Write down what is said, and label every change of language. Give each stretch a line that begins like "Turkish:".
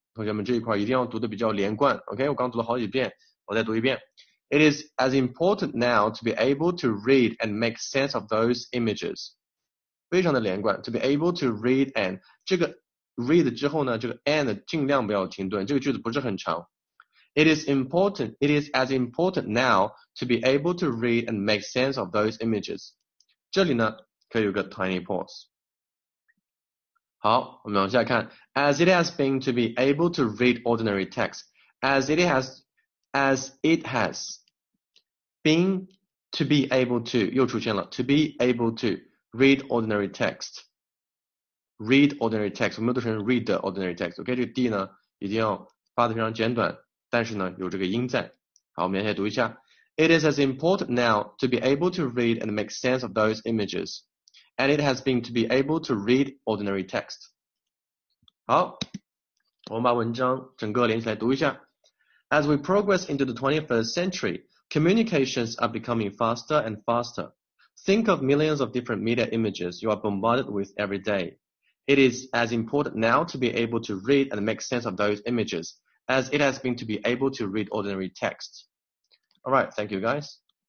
Chinese: 同学们这一块一定要读的比较连贯，OK，我刚读了好几遍，我再读一遍。
English: It is as important now to be able to read and make sense of those images。
Chinese: 非常的连贯，
English: to be able to read and
Chinese: 这个。read 之后呢，这个 and 尽量不要停顿，这个句子不是很长。
English: It is important, it is as important now to be able to read and make sense of those images。
Chinese: 这里呢，可以有个
English: tiny pause。
Chinese: 好，我们往下看。
English: As it has been to be able to read ordinary text, as it has been to be able to，
Chinese: 又出现了
English: to be able to read ordinary text。 Read ordinary text，
Chinese: 我们读成
English: read ordinary text。
Chinese: OK，这个 d 呢一定要发的非常简短，但是呢有这个音在。好，我们来读一下。
English: It is as important now to be able to read and make sense of those images, and it has been to be able to read ordinary text。
Chinese: 好，我们把文章整个连起来读一下。
English: As we progress into the 21st century, communications are becoming faster and faster. Think of millions of different media images you are bombarded with every day. It is as important now to be able to read and make sense of those images as it has been to be able to read ordinary text. All right, thank you guys.